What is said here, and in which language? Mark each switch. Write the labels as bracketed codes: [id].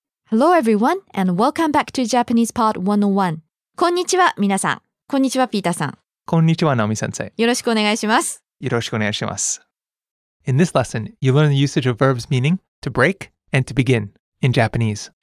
[en] Hello everyone and welcome back to Japanese Part 101. [ja] こんにちは皆さん。こんにちはピーターさん。こんにちはナオミ先生。よろしくお願いします。よろしくお願いします。 [en] In this lesson, you learn the usage of verbs meaning to break and to begin in Japanese.